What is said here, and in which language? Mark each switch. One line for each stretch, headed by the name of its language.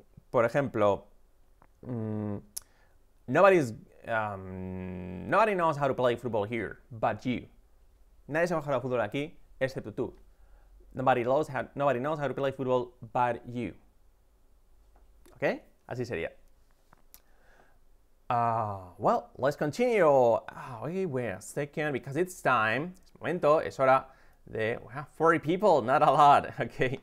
Spanish: Por ejemplo,
English: nobody knows how to play football here but you.
Spanish: Nadie sabe jugar al fútbol aquí excepto tú.
English: Nobody knows how to play football but you.
Spanish: ¿Ok? Así sería.
English: Well, let's continue. Second, because it's time.
Spanish: Es momento, es hora de.
English: Wow, 40 people, not a lot. ¿Ok?